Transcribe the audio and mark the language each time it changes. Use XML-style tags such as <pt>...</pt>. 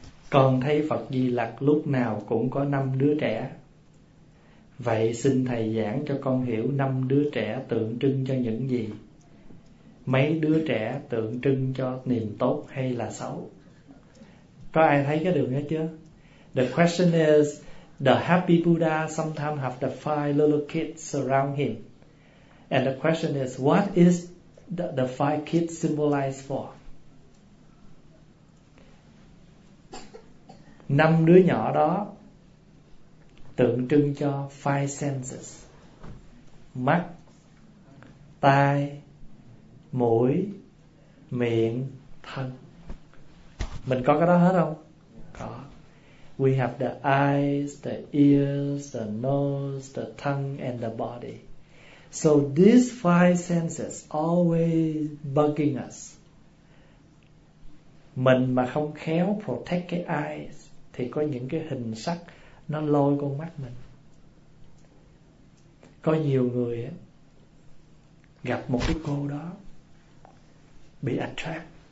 <vi>Con thấy Phật Di Lặc lúc nào cũng có năm đứa trẻ. Vậy xin thầy giảng cho con hiểu năm đứa trẻ tượng trưng cho những gì? Mấy đứa trẻ tượng trưng cho niềm tốt hay là xấu? Có ai thấy cái đường đó chưa?</vi> <en>The question is, the happy Buddha sometimes have the five little kids around him. And the question is, what is the five kids symbolize for?</en> <vi>Năm đứa nhỏ đó tượng trưng cho</vi> <en>five senses:</en> <vi>mắt, tai, mũi, miệng, thân. Mình có cái đó hết không? Có.</vi> <en>We have the eyes, the ears, the nose, the tongue, and the body. So these five senses always bugging us.</en> <vi>Mình mà không khéo protect cái eyes thì có những cái hình sắc nó lôi con mắt mình. Có nhiều người gặp một cái cô đó bị attract.</vi>